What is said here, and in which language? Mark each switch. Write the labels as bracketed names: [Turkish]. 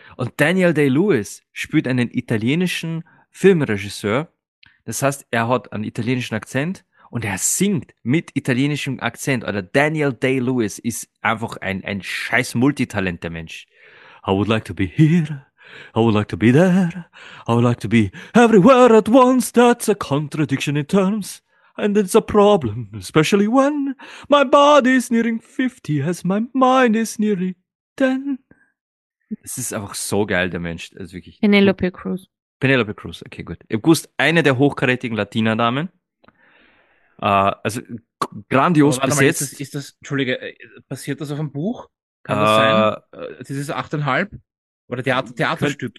[German] Und Daniel Day-Lewis spielt einen italienischen Filmregisseur, das heißt, er hat einen italienischen Akzent und er singt mit italienischem Akzent. Oder Daniel Day-Lewis ist einfach ein scheiß Multitalent, der Mensch. [English] I would like to be here. I would like to be there. I would like to be everywhere at once. That's a contradiction in terms. And it's a problem, especially when my body is nearing 50 as my mind is nearly 10. [German] Es ist einfach so geil, der Mensch. Es ist wirklich gut. Penelope Cruz. Penelope Cruz, okay, gut. Ich gewusst, eine der hochkarätigen Latina-Damen. Also Aber grandios warte mal, besetzt. Entschuldige, basiert das auf einem Buch? Kann das sein? Dieses 8,5? Oder Theaterstück?